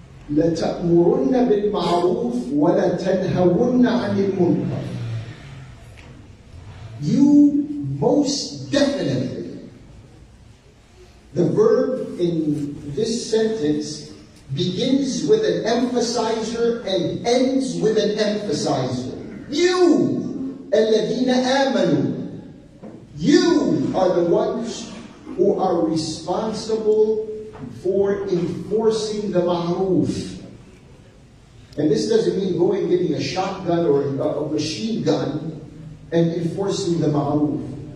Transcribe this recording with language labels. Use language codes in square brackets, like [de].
[ar] لَتَأْمُرُنَّ بِالْمَعْرُوفِ وَلَتَنْهَوُنَّ عَنِ الْمُنْكَرِ. [en] You most definitely, the verb in this sentence begins with an emphasizer and ends with an emphasizer. You, [ar] الَّذِينَ آمَنُوا. [en] You are the ones who are responsible for enforcing the ma'roof. And this doesn't mean going getting a shotgun or a machine gun and enforcing the ma'roof.